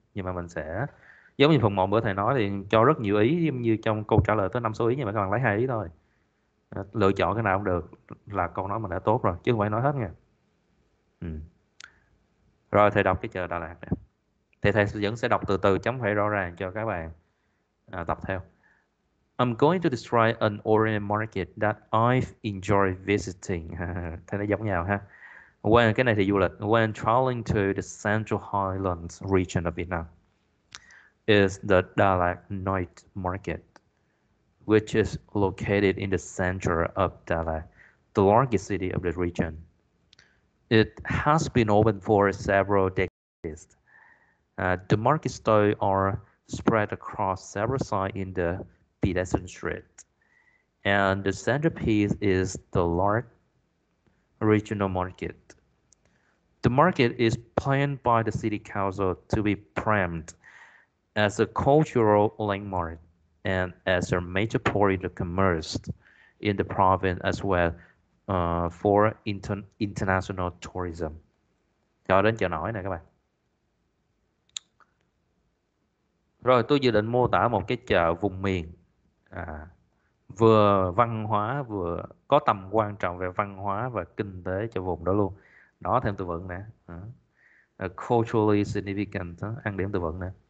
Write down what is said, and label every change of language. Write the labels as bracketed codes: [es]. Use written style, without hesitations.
[vi] Nhưng mà mình sẽ giống như phần một bữa thầy nói thì cho rất nhiều ý, giống như trong câu trả lời tới 5 số ý nhưng mà các bạn lấy 2 ý thôi. Lựa chọn cái nào cũng được, là câu nói mình đã tốt rồi chứ không phải nói hết nha. Ừ. Rồi thầy đọc cái chợ Đà Lạt này. Thì thầy vẫn sẽ đọc từ từ chấm phẩy rõ ràng cho các bạn tập theo. [en] I'm going to describe an Orient market that I've enjoyed visiting. [vi] Thế nó giống nhau ha. [en] When, [vi] cái này thì du lịch. [en] When traveling to the Central Highlands region of Vietnam is the Da Lat Night Market, which is located in the center of Da Lat, the largest city of the region. It has been open for several decades. The market stalls are spread across several sites in the pedestrian street, and the centerpiece is the large regional market. The market is planned by the city council to be framed as a cultural landmark and as a major point of commerce in the province as well, for international tourism. [vi] Cho đến chợ nổi nè các bạn. Rồi tôi dự định mô tả một cái chợ vùng miền à, vừa văn hóa vừa có tầm quan trọng về văn hóa và kinh tế cho vùng đó luôn. Đó, thêm từ vựng nè. [en] Culturally significant [vi] đó, ăn điểm từ vựng nè.